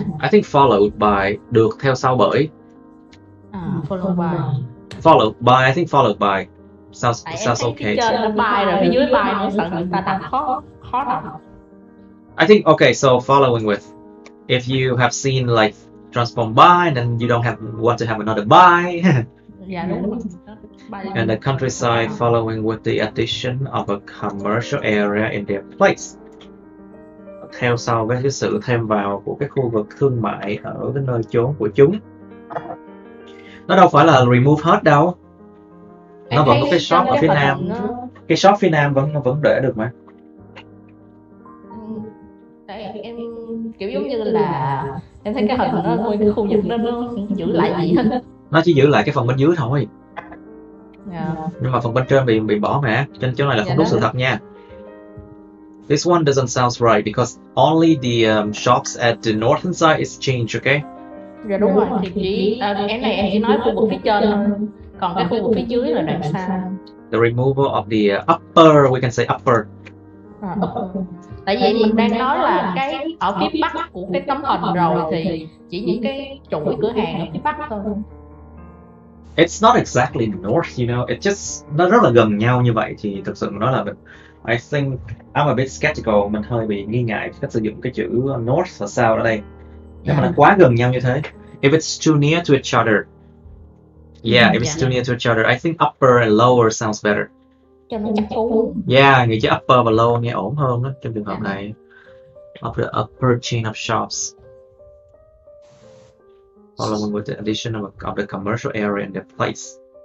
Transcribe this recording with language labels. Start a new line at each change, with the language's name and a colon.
English: I think followed by,
Vietnamese: được theo sau bởi.
English: Followed by. Followed by, I think followed by. Sounds okay.
Vietnamese: Chờ là by rồi, phía dưới by nó sẵn ta đọc khó đọc.
English: I think, okay, so following with. If you have seen like transform by, then you don't have want to have another by.
Vietnamese: Dạ đúng rồi.
English: And the countryside following with the addition of a commercial area in their place.
Vietnamese: Theo sau với cái sự thêm vào của cái khu vực thương mại ở cái nơi chốn của chúng. Nó đâu phải là remove hết đâu. Nó vẫn có cái shop ở phía nam. Cái shop phía nam vẫn để được mà. Tại em kiểu giống như là em thấy cái hình nó nguyên cái khu vực nó giữ lại gì hết. Nó chỉ giữ lại cái phần bên dưới thôi.
English: Yeah.
Vietnamese: Nhưng mà phần bên trên bị bỏ mà, trên chỗ này là không đúng sự thật nha.
English: This one doesn't sound right because only the shops at the northern side is changed, okay?
Vietnamese: Dạ đúng rồi, thì chỉ em này em chỉ nói khu vực phía trên, còn cái khu vực phía dưới là đoạn xa.
English: The removal of the upper, we can say upper.
Vietnamese: Tại vì mình đang nói là cái ở phía bắc của cái tấm hình rồi thì chỉ những cái chuỗi cửa hàng ở phía bắc thôi.
English: It's not exactly north, you know, it's just,
Vietnamese: nó rất là gần nhau như vậy thì thực sự nó là,
English: I think, I'm a bit skeptical,
Vietnamese: mình hơi bị nghi ngại cách sử dụng cái chữ north và south ở đây. Nếu mà nó quá gần nhau như thế.
English: If it's too near to each other, yeah, if it's too near to each other, I think upper and lower sounds better.
Vietnamese: Yeah, nghĩ chứ upper và lower nghe ổn hơn đó, trong trường hợp này.
English: Of the upper chain of shops. Following with the addition of the commercial area in the place.